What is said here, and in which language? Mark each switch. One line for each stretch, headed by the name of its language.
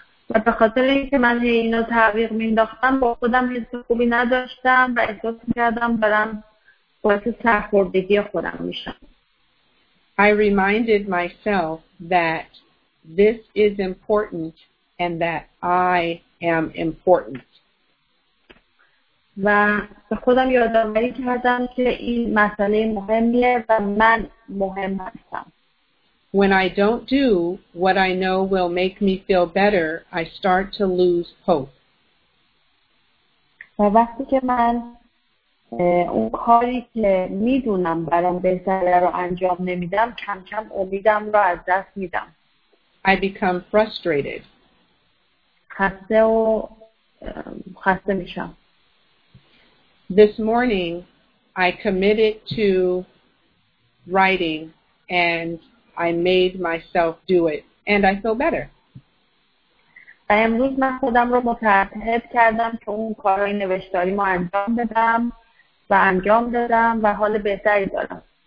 Persian: و به خاطر اینکه من اینو تعویق مینداختم، با خودم حس خوبی نداشتم و احساس می‌کردم دارم باعث سرخوردگی خودم میشم.
English: I reminded myself that this is important and that I am important.
Persian: و به خودم یادآوری کردم که این مسئله مهمیه و من مهم هستم.
English: When I don't do what I know will make me feel better, I start to lose hope.
Persian: و وقتی که من اون کاری که میدونم برام بهتره رو انجام نمیدم، کم کم امیدم رو از دست میدم.
English: I become frustrated.
Persian: خسته میشم.
English: This morning, I committed to writing, and I made myself do it, and I feel better.
Persian: امروز من خودم رو متعهد کردم که اون کارای نوشتاری رو انجام بدم و انجام دادم و حال بهتری دارم.